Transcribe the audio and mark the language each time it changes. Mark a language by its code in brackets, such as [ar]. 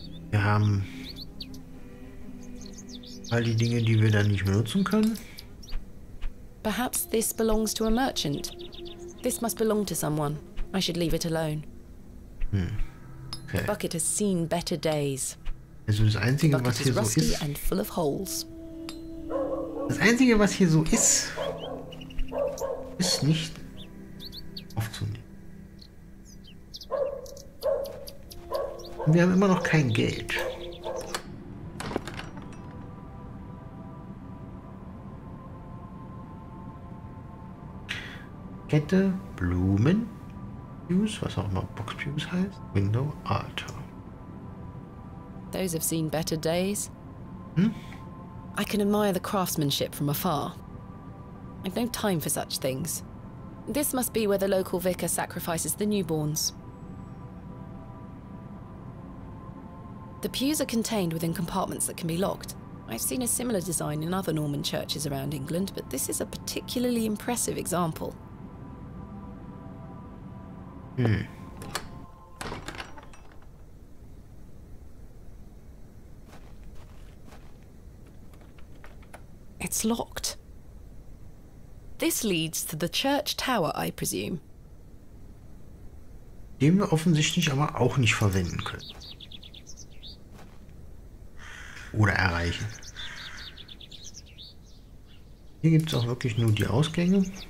[de] Wir haben all die Dinge, die wir dann nicht benutzen können. [en] Perhaps this belongs to a merchant. This must belong to someone. I should leave it alone. Okay. The bucket has seen better days. [de] Also das Einzige, was hier so ist, [en] and full of holes. [de] Das Einzige, was hier so ist, ist nicht aufzunehmen. Wir haben immer noch kein Geld. Kette, Blumen, Pews, was auch immer Box Pews heißt, Window, Altar. [en] Those have seen better days. Hm? I can admire the craftsmanship from afar. I've no time for such things. This must be where the local vicar sacrifices the newborns. The pews are contained within compartments that can be locked. I've seen a similar design in other Norman churches around England, but this is a particularly impressive example. It's locked. This leads to the church tower, I presume. [de] Den wir offensichtlich aber auch nicht verwenden können. Oder erreichen. Hier gibt es auch wirklich nur die Ausgänge.